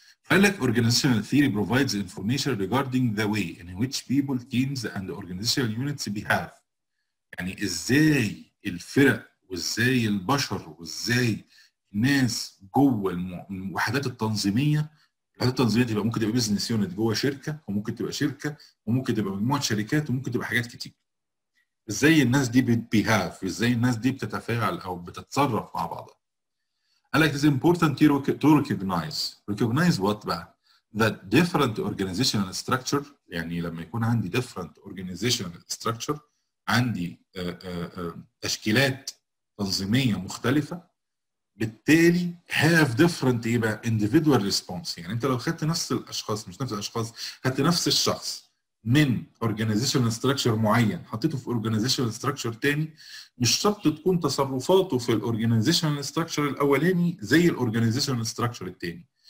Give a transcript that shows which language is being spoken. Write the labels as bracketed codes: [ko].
[ar] قال لك [en] organizational theory provides information regarding the way in which people, teams and organizational units behave. [ar] يعني ازاي الفرق وازاي البشر وازاي الناس جوه الوحدات التنظيمية. الوحدات التنظيمية تبقى ممكن تبقى business unit جوه شركة، وممكن تبقى شركة، وممكن تبقى مجموعة شركات، وممكن تبقى حاجات كتير. ازاي الناس دي behave، ازاي الناس دي بتتفاعل او بتتصرف مع بعضها. [en] Like it is important to recognize what that different organizational structure. [ar] يعني لما يكون عندي [en] different organizational structure [ar] عندي تشكيلات تنظيمية مختلفة، بالتالي [en] have different individual response. [ar] يعني أنت لو خدت نفس الأشخاص، مش نفس الأشخاص، خدت نفس الشخص من organizational structure معين حطيته في organizational structure تاني، مش شرط تكون تصرفاته في organizational structure الاولاني زي organizational structure التاني.